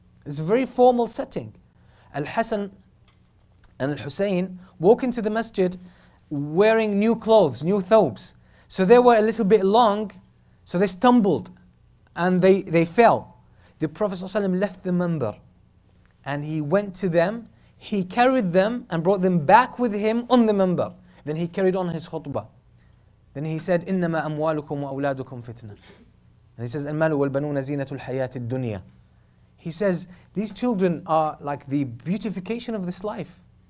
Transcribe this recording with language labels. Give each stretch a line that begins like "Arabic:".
English: It's a very formal setting. Al-Hasan and Al-Husayn walk into the masjid wearing new clothes, new thobes. So they were a little bit long, so they stumbled and they fell. The Prophet ﷺ left the member and he went to them. He carried them and brought them back with him on the member. Then he carried on his khutbah. Then he said,
Arabic: إِنَّمَا أَمْوَالُكُمْ وَأَوْلَادُكُمْ فِتْنَةً.
English: And he says,
Arabic: الْمَالُ وَالْبَنُونَ زِينَةُ الْحَيَاةِ الدُّنْيَا.
English: He says, these children are like the beautification of this life.